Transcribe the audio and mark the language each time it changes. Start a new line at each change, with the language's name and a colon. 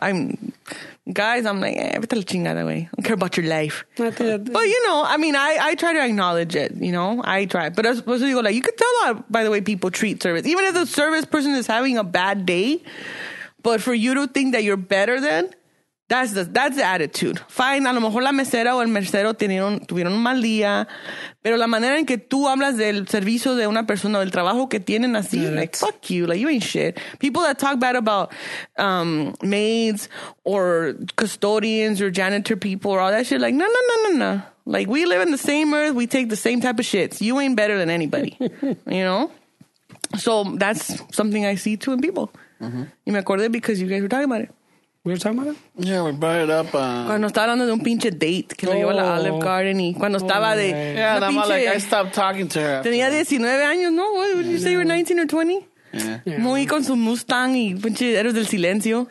English: I'm like,
Spanish: vete la chingada, güey.
English: I don't care about your life. But you know, I mean, I try to acknowledge it. You know, I try. But as opposed to you go like, you could tell by the way people treat service, even if the service person is having a bad day. But for you to think that you're better than, that's the attitude.
Spanish: Fine, a lo mejor la mesera o el mesero tuvieron un mal día. Pero la manera en que tú hablas del servicio de una persona, del trabajo que tienen así,
English: yeah, like, fuck you, like, you ain't shit. People that talk bad about maids or custodians or janitor people or all that shit, like, no. Like, we live in the same earth, we take the same type of shits. You ain't better than anybody, you know? So that's something I see too in people. Mm-hmm.
Spanish: Y me acordé
English: because you guys were talking about it. We were talking about it? Yeah, we brought it up.
Spanish: Cuando estaba hablando de un pinche date que lo llevó a la Olive Garden y cuando estaba de...
English: Yeah, and I'm like, I stopped talking to her.
Spanish: Tenía 19 años, ¿no?
English: What did you say you were 19 or 20? Yeah.
Spanish: Muy con su Mustang y pinche Héroes del Silencio.